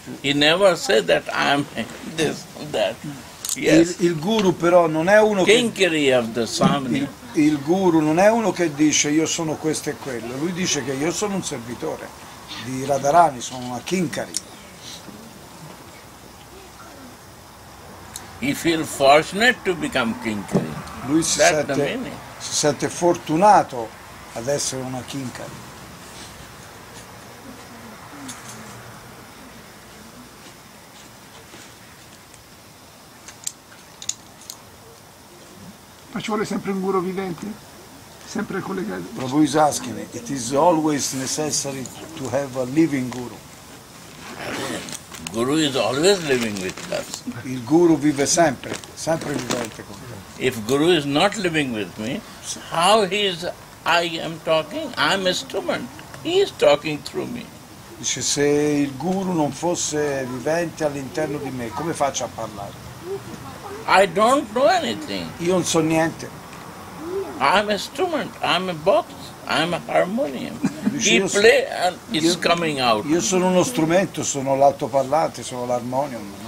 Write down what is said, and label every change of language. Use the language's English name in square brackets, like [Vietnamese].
[English] He never said that I am this, that. Yes. [Italian] Il Guru però non è uno kinkari che [English] of the Swami. [Italian] Il guru non è uno che dice io sono questo e quello, lui dice che io sono un servitore di Radharani, sono una kinkari. [English] He feel fortunate to become kinkari. [Italian] Lui si sente fortunato ad essere una kinkari. Ma ci vuole sempre un guru vivente? sempre collegato. [English] Prabhu is asking, it is always necessary to have a living guru. Guru is always living with us. [Italian] Il guru vive sempre, sempre vivente con noi. [English] If guru is not living with me, how he is, I am talking, I am instrument, he is talking through me. [Italian] Dice, se il guru non fosse vivente all'interno di me, come faccio a parlare? [English] I don't know anything. [Italian] Io non so niente. [English] I'm a instrument, I'm a box, I'm a harmonium. He play and it's coming out. [Italian] Io sono uno strumento, sono l'altoparlante, sono l'harmonium.